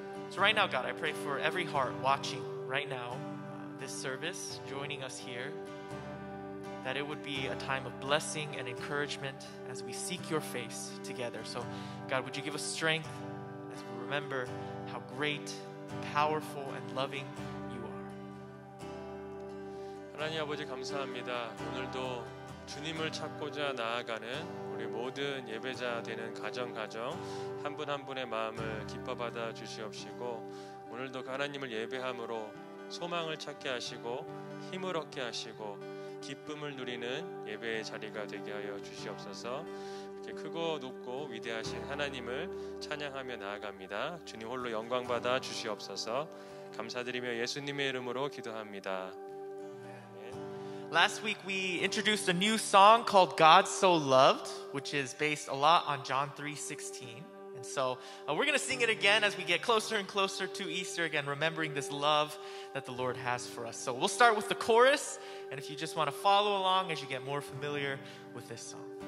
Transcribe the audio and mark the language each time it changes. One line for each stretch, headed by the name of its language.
English: So right now, God, I pray for every heart watching right now this service, joining us here, that it would be a time of blessing and encouragement as we seek your face together. So God, would you give us strength as we remember how great, powerful, and loving you are.
Korean: 하나님 아버지 감사합니다. 오늘도 주님을 찾고자 나아가는 우리 모든 예배자 되는 가정가정 한 분 한 분의 마음을 기뻐 받아 주시옵시고 오늘도 하나님을 예배함으로 소망을 찾게 하시고 힘을 얻게 하시고 기쁨을 누리는 예배의 자리가 되게 하여 주시옵소서. 이렇게 크고 높고 위대하신 하나님을 찬양하며 나아갑니다. 주님 홀로 영광 받아 주시옵소서. 감사드리며 예수님의 이름으로 기도합니다.
English: Last week we introduced a new song called God So Loved, which is based a lot on John 3:16. And so we're going to sing it again as we get closer and closer to Easter again, remembering this love that the Lord has for us. So we'll start with the chorus, and if you just want to follow along as you get more familiar with this song.